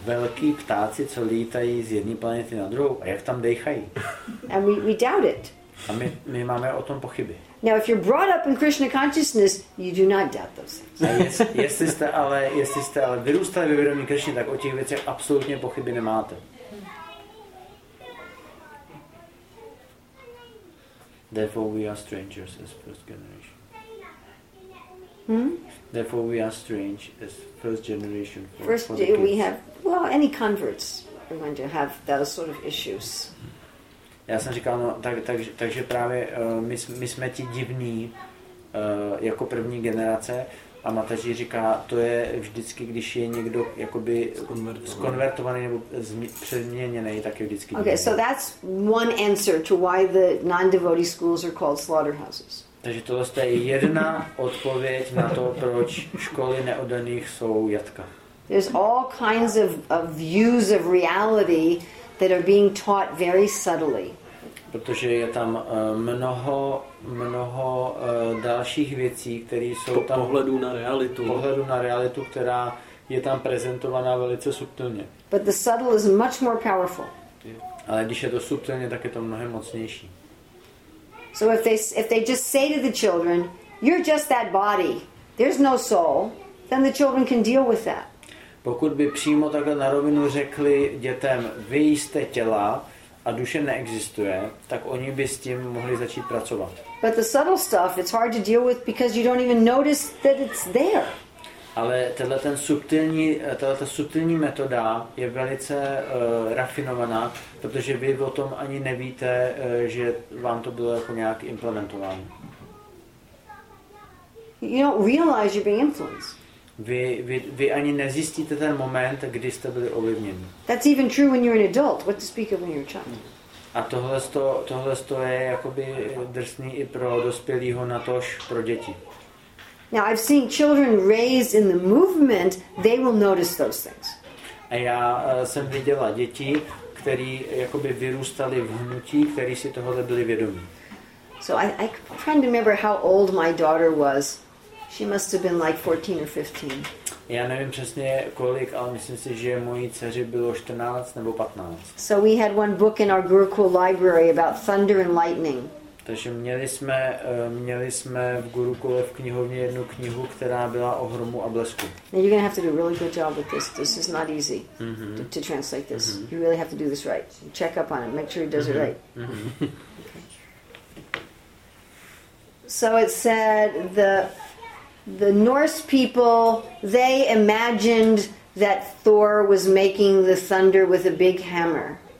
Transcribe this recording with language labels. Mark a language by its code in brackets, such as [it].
[cs] Velký ptáci, co lítají z jedné planety na druhou. A jak tam dejchají? [en] And we doubt it. [cs] A my máme o tom pochyby. [en] Now, if you're brought up in Krishna consciousness, you do not doubt those things. [cs] Jestli jste ale vyrůstali ve vědomí Krishny, tak o těch věcech absolutně pochyby nemáte. [en] Therefore, we are strangers as first generation. Therefore, we are strange as first generation. Well, any converts are going to have those sort of issues. [cs] Já jsem říkal, no, takže právě my jsme ti divní jako první generace a Mataji říká, to je vždycky, když je někdo jakoby skonvertovaný nebo přeměněný, tak je vždycky divný. [en] Okay, so that's one answer to why the non-devotee schools are called slaughterhouses. [cs] Takže tohle je jedna odpověď na to, proč školy neoddaných jsou jatka. [en] There's all kinds of views of reality that are being taught very subtly. [cs] Protože je tam mnoho dalších věcí, které jsou tam pohledu na realitu, která je tam prezentovaná velice subtilně. [en] But the subtle is much more powerful. [cs] Ale když je to subtilně, tak je to mnohem mocnější. [en] So if they just say to the children, you're just that body, there's no soul, then the children can deal with that. [cs] Pokud by přímo takhle na rovinu řekli dětem, vy jste těla a duše neexistuje, tak oni by s tím mohli začít pracovat. [en] But the subtle stuff, it's hard to deal with because you don't even notice that it's there. [cs] Ale tato subtilní metoda je velice rafinovaná, protože vy o tom ani nevíte, že vám to bylo jako nějak implementováno. [en] You don't realize you're being influenced. [cs] Vy ani nezjistíte ten moment, kdy jste byli ovlivněni. [en] That's even true when you're an adult. What to speak of when you're a child. [cs] A tohle to je jakoby drsný i pro dospělého, natož pro děti. [en] Now I've seen children raised in the movement, they will notice those things. [cs] A já jsem viděla děti, které jakoby vyrůstaly v hnutí, které si tohle byli vědomí. [en] So I try to remember how old my daughter was. She must have been like 14 or 15. [cs] Já nevím přesně kolik, ale myslím si, že mojí dceři bylo 14 nebo 15. [en] So we had one book in our Gurukul library about thunder and lightning. [cs] Takže měli jsme v Gurukule v knihovně jednu knihu, která byla o hromu a blesku. [en] Now you're gonna have to do a really good job with this. This is not easy to translate this. Mm-hmm. You really have to do this right. Check up on it. Make sure he does it right. Mm-hmm. Okay. So it said the Norse people, they imagined that Thor was making the thunder with a big hammer.